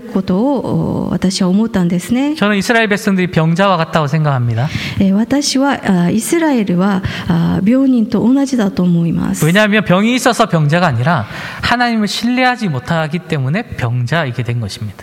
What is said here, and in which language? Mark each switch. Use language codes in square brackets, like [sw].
[ja] ですから38年も病気で苦しんでいた人この38年という数字とこのアラノで彷徨ったイスラエルのその期間と同じであることを私は思ったんですね。 [ko] 저는 이스라엘 백성들이 병자와 같다고 생각합니다. [ja] 私はイスラエルは病人と同じだと思います。 [ko] 왜냐하면 병이 있어서 병자가 아니라 하나님을 신뢰하지 못하기 때문에 병자이게 된 것입니다.